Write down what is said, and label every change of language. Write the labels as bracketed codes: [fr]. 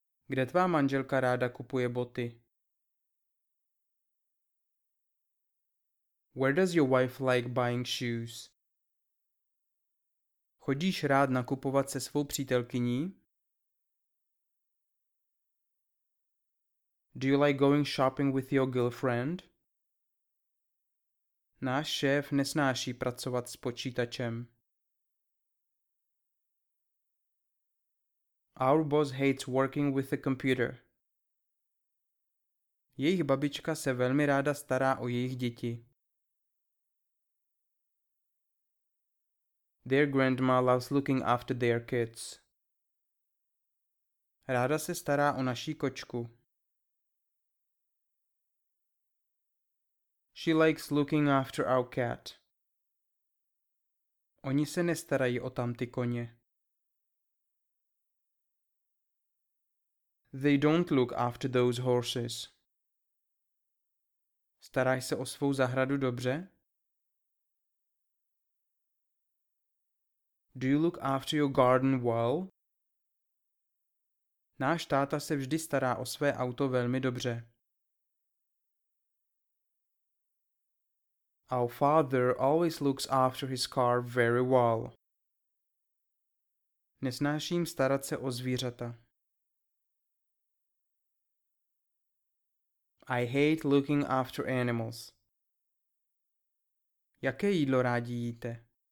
[cs] Kde tvá manželka ráda kupuje boty? [en] Where does your wife like buying shoes? [cs] Chodíš rád nakupovat se svou přítelkyní? [en] Do you like going shopping with your girlfriend? [cs] Náš šéf nesnáší pracovat s počítačem. [en] Our boss hates working with a computer. [cs] Jejich babička se velmi ráda stará o jejich děti. [en] Their grandma loves looking after their kids. [cs] Ráda se stará o naší kočku. [en] She likes looking after our cat. [cs] Oni se nestarají o tamty koně. [en] They don't look after those horses. [cs] Staráš se o svou zahradu dobře? [en] Do you look after your garden well? [cs] Náš táta se vždy stará o své auto velmi dobře. [en] Our father always looks after his car very well. [cs] Nesnáším starat se o zvířata. [en] I hate looking after animals. [cs] Jaké jídlo rádi jíte?